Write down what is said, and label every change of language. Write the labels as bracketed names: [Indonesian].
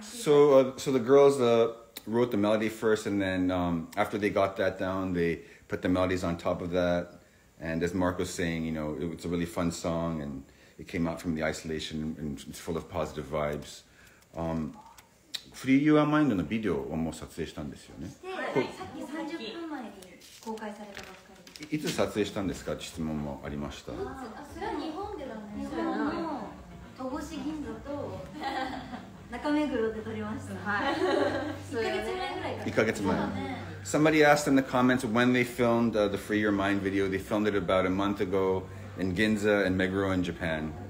[English] So the girls wrote the melody first, and then after they got that down, they put the melodies on top of that. And as Mark was saying, you know, it's a really fun song, and it came out from the isolation, and it's full of positive vibes. [Japanese] Free Your Mind のビデオをもう撮影したんですよね。で、さっき30分前に公開されたばっかり。いつ撮影したんですかって質問もありました。あ、それは日本ではない。日本の戸越銀座と中目黒で撮りました。はい。 1ヶ月前ぐらいから。 1ヶ月前。ね、 [English] Somebody asked in the comments when they filmed the Free Your Mind video. They filmed it about a month ago in Ginza and Meguro in Japan.